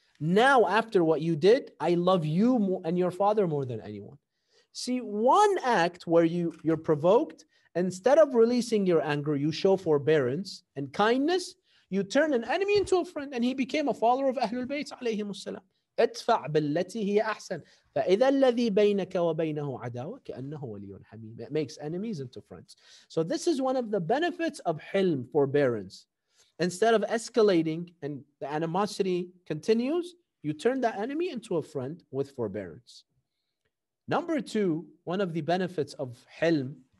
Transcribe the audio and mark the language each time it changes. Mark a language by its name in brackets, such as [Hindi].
[English] Now, after what you did, I love you and your father more than anyone. See, one act where you're provoked, instead of releasing your anger, you show forbearance and kindness, you turn an enemy into a friend, and he became a follower of Ahlul Bayt, alayhim as-salam. [Arabic] ادفع بالتي هي أحسن فإذا الذي بينك وبينه عداوة كأنه ولي حميم. [English] It makes enemies into friends. So this is one of the benefits of hilm, forbearance. Instead of escalating and the animosity continues, you turn that enemy into a friend with forbearance. Number two, one of the benefits of hilm.